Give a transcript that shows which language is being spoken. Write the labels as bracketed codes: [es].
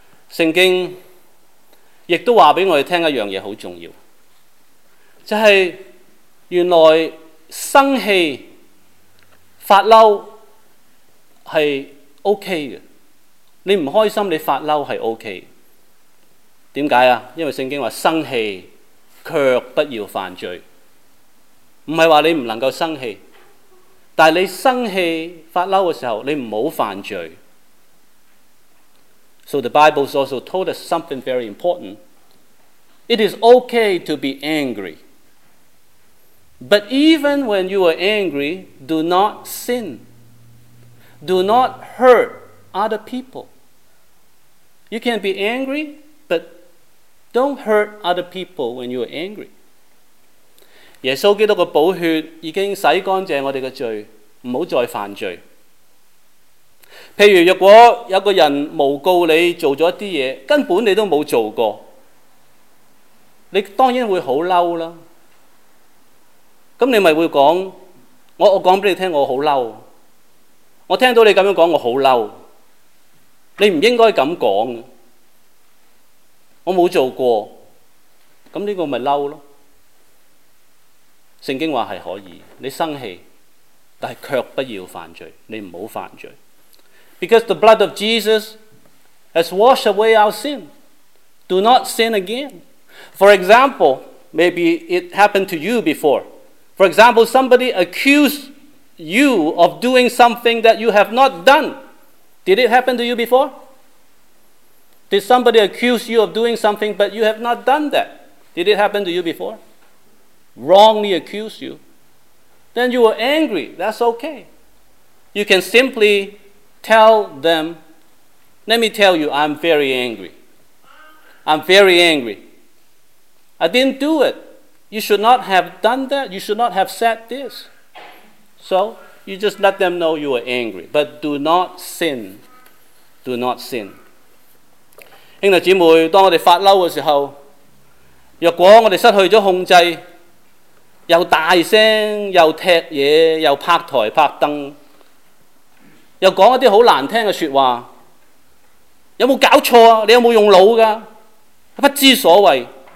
[yue] 聖經亦都話俾我哋聽一樣嘢好重要，就係原來生氣發嬲是 OK 的，你不開心你發嬲是 OK 的。為什麼？因為聖經說生氣卻不要犯罪，不是說你不能夠生氣，但你生氣發嬲的時候你不要犯罪。 [en] So the Bible also told us something very important. It is OK to be angryBut even when you are angry, do not sin. Do not hurt other people. You can be angry, but don't hurt other people when you are angry. [yue] 耶稣基督的宝血已经洗干净我们的罪，不要再犯罪。譬如如果有个人诬告你做了一些事，根本你都没有做过，你当然会很生气。咁你咪會講，我講俾你聽，我好嬲。我聽到你咁樣講，我好嬲。你唔應該咁講，我冇做過。咁呢個咪嬲咯？聖經話係可以，你生氣，但係卻不要犯罪，你唔好犯罪。 [en] Because the blood of Jesus has washed away our sin, do not sin again. For example, maybe it happened to you before. For example, somebody accused you of doing something that you have not done. Did it happen to you before? Did somebody accuse you of doing something but you have not done that? Did it happen to you before? Wrongly accuse you. Then you were angry. That's okay. You can simply tell them, let me tell you, I'm very angry. I'm very angry. I didn't do it. You should not have done that. You should not have said this. So, you just let them know you are angry. But do not sin. Do not sin. [yue] 兄弟姊妹，当我们发怒的时候，若果我们失去了控制，又大声，又踢东西，又拍台拍灯，又说一些很难听的说话，有没有搞错？你有没有用脑的？不知所谓。